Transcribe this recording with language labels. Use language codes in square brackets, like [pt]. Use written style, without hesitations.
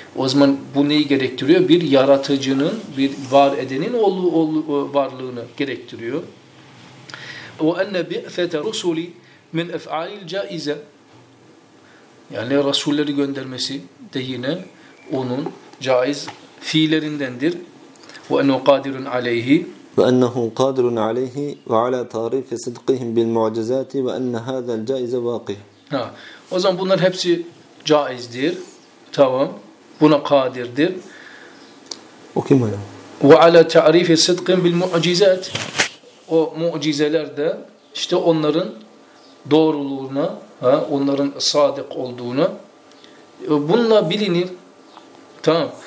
[tr] O zaman bu neyi gerektiriyor? Bir yaratıcının, bir var edenin varlığını gerektiriyor. [ar] وَاَنَّ بِعْفَةَ رُسُولِ مِنْ اَفْعَالِ الْجَائِزَ [tr] Yani Resulleri göndermesi de yine onun caiz fiillerindendir. [ar] وأنه قادر عليه وأنه قادر عليه وعلى تعريف صدقهم بالمعجزات وأن هذا الجائز واقع. [tr] O zaman bunların hepsi caizdir. Tamam. Buna kadirdir. O kim hocam? [ar] وَعَلَى تَعْرِيفِ صِدْقٍ بِالْمُعْجِزَاتِ [tr] O mucizeler de işte onların doğruluğuna, ha, onların sadık olduğuna bununla bilinir. Tamam.